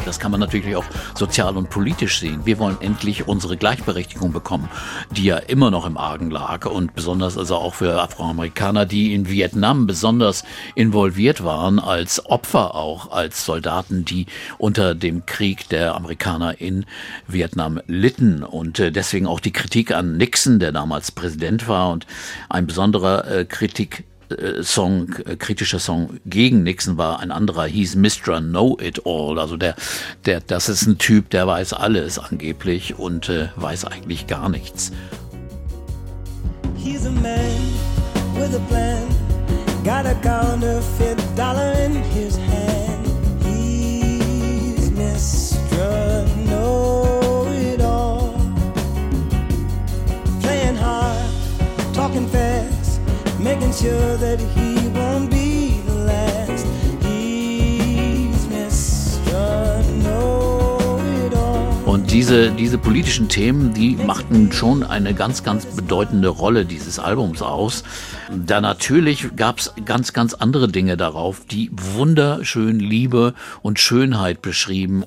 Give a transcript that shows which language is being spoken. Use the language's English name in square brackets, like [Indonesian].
[German] Man natürlich auch sozial und politisch sehen. Wir wollen endlich unsere Gleichberechtigung bekommen, die ja immer noch im Argen lag und besonders also auch für Afroamerikaner, die in Vietnam besonders involviert waren, als Opfer auch, als Soldaten, die unter dem Krieg der Amerikaner in Vietnam litten und deswegen auch die Kritik an Nixon, der damals Präsident war und ein besonderer kritischer Song gegen Nixon war ein anderer, hieß Mr. Know-It-All, also das ist ein Typ, der weiß alles angeblich und weiß eigentlich gar nichts. [English] He's a man with a plan, got a counterfeit dollar in his hand. He's Mr. Know-It-All, playing hard, talking fast, making sure that he won't be the last. He's Mr. Know-It-All. [German] Und diese politischen Themen, die machten schon eine ganz, ganz bedeutende Rolle dieses Albums aus. Da natürlich gab es ganz, ganz andere Dinge darauf, die wunderschön Liebe und Schönheit beschrieben.